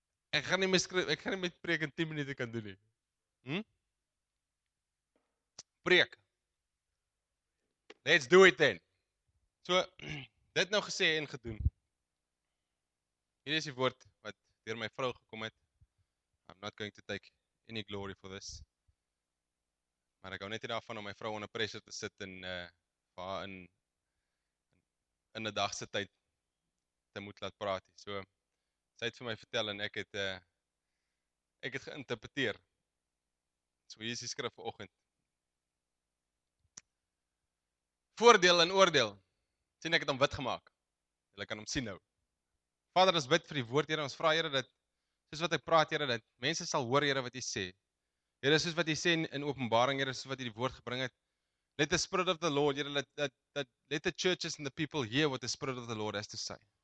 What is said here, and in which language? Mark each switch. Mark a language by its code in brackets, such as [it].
[af] Ek gaan nie my skryf, ek gaan nie met preek in 10 minute kan doen nie. Preek. Let's do it then. So, dit nou gesê en gedoen. Hier is die woord wat deur my vrou gekom het. [en] I'm not going to take any glory for this. [af] Maar ek gou net daarvan om my vrou onder pressure te sit en haar in 'n dag se tyd te moet laat praat. So sy het vir my vertel en ek het geïnterpreteer. So hier is die skrif vir oggend. Voordeel en oordeel. Sien ek het hom wit gemaak. Jy kan hom sien nou. Vader, ons bid vir die woord, Here. Ons vra Here dat soos wat ek praat, Here, dat mense sal hoor, Here, wat U sê. Here, soos wat U sê in Openbaring, Here, soos wat U die woord gebring het. [en] Let the spirit of the Lord, Here, let let the churches and the people hear what the spirit of the Lord has to say.